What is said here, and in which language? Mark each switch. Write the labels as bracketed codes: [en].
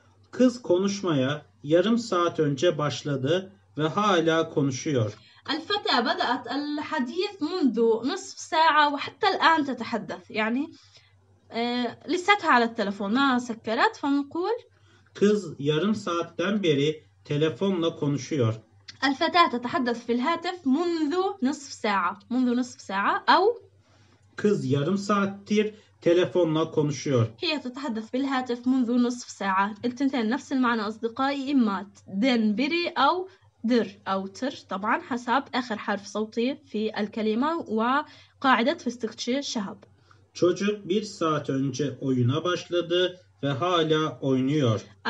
[tr] Kız konuşmaya yarım saat önce başladı ve hala konuşuyor. [ar] الفتاة بدأت الحديث منذ نصف ساعة وحتى الآن تتحدث. يعني لساتها على التلفون، ما سكرت. فنقول [tr] Kız yarım saatten beri telefonla konuşuyor. [ar] الفتاة تتحدث في الهاتف منذ نصف ساعة. منذ نصف ساعة أو [tr] Kız yarım saattir telefonla konuşuyor. [ar] هي تتحدث في الهاتف منذ نصف ساعة. التنتين نفس المعنى أصدقائي، إما دن بري أو در أو تر، طبعا حسب آخر حرف صوتي في الكلمة وقاعدة في استكشاف شهب. [tr] Çocuk bir saat önce oyuna başladı ve hala oynuyor.